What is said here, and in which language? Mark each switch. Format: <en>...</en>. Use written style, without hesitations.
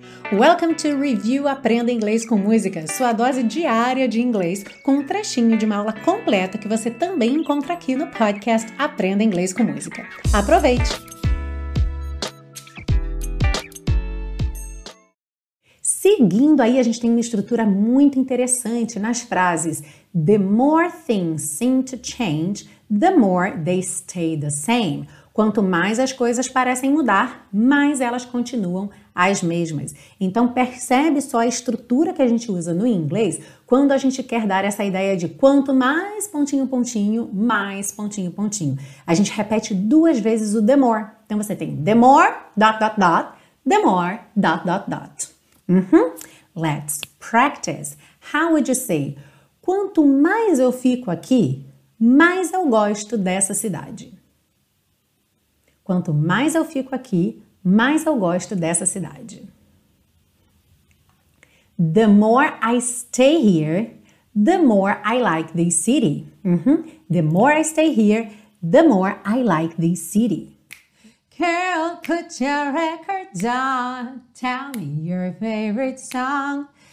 <pt>Welcome to Review Aprenda Inglês com Música, sua dose diária de inglês, com um trechinho de uma aula completa que você também encontra aqui no podcast Aprenda Inglês com Música. Aproveite! Seguindo aí, a gente tem uma estrutura muito interessante nas frases.</pt> <en>The more things seem to change, the more they stay the same.</en> <pt>Quanto mais as coisas parecem mudar, mais elas continuam as mesmas. Então, percebe só a estrutura que a gente usa no inglês quando a gente quer dar essa ideia de quanto mais pontinho, pontinho, mais pontinho, pontinho. A gente repete duas vezes o the more. Então, você tem</pt> <en>the more, dot, dot, dot,</en> <pt>the more, dot, dot, dot. Uhum.</pt> <en>Let's practice. How would you say?</en> <pt>Quanto mais eu fico aqui, mais eu gosto dessa cidade. Quanto mais eu fico aqui, mais eu gosto dessa cidade.</pt> <en>The more I stay here, the more I like this city. Uhum. The more I stay here, the more I like this city. Girl, put your record on. Tell me your favorite song.</en>